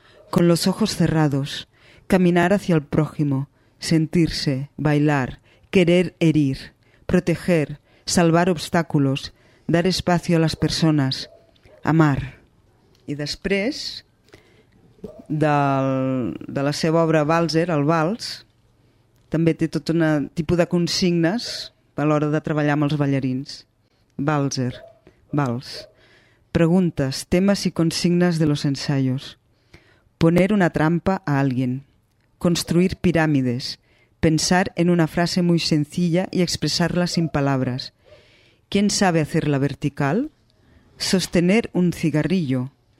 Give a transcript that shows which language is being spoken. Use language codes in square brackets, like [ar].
[es] Con los ojos cerrados, caminar hacia el prójimo, sentirse, bailar, querer herir, proteger, salvar obstáculos, dar espacio a las personas, amar. [ca] Y después, de la seva obra Walser, el Vals, també té tot un tipus de consignes a l'hora de treballar amb els ballarins. Walser, vals. Preguntes, temes i consignes [es] de los ensayos. Poner una trampa a alguien. Construir pirámides. Pensar en una frase muy sencilla y expresarla sin palabras. ¿Quién sabe hacerla vertical? Sostener un cigarrillo.